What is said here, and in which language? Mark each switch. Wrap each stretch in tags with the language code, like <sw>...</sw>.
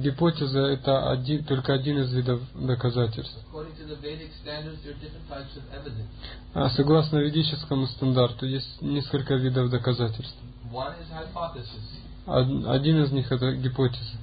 <ru>Гипотеза – это один, только один из видов доказательств.</ru> <en>According to the Vedic standards, there are different types of evidence.</en> <ru>Согласно ведическому стандарту, есть несколько видов доказательств.</ru> <en>One is hypothesis.</en> <ru>Один из них – это гипотеза.</ru>